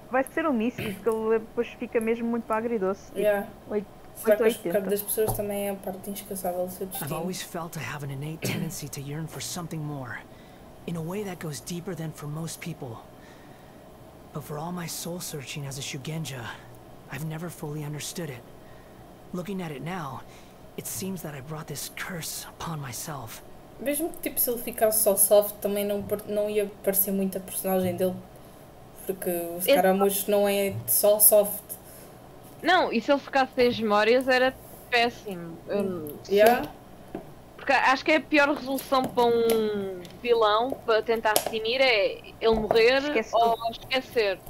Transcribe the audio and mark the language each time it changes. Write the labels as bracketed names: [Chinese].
[Portuguese] Vai ser um míssil, porque ele depois fica mesmo muito para agridoce. [English] Yeah. [Portuguese] Será que das pessoas também é a parte incansável do seu destino? [English] I've always felt I have an innate tendency to yearn for something more. In a way that goes deeper than for most people. But for all my soul searching as a Shugenja, I've never fully understood it. Looking at it now, it seems that I brought this curse upon myself. [Portuguese] Mesmo que tipo, se ele ficasse só soft, também não ia parecer muito a personagem dele. Porque o Scaramouche não é só soft. Não, e se ele ficasse sem as memórias era péssimo. [English] Yeah. [Portuguese] Porque acho que é a pior resolução para um vilão, para tentar assumir, é ele morrer esquecer.